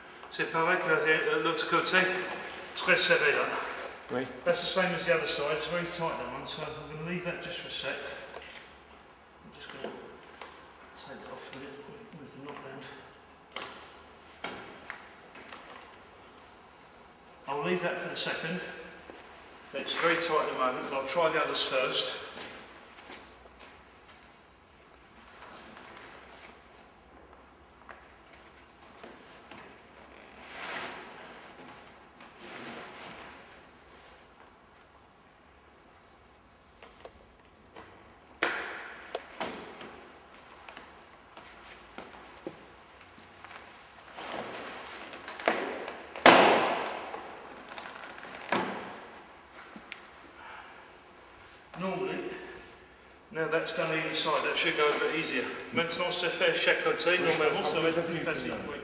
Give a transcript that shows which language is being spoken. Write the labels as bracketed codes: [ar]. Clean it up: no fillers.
[fr] C'est pareil que l'autre côté, très serré là. Oui. [en] That's the same as the other side, it's very tight that one, so I'm going to leave that just for a sec. I'm just going to take it off a bit with the knot round. I'll leave that for the second. It's very tight at the moment, but I'll try the others first. Now that's done either side, that should go a bit easier. [fr] Maintenant c'est fait chaque côté, normalement ça va être plus facile.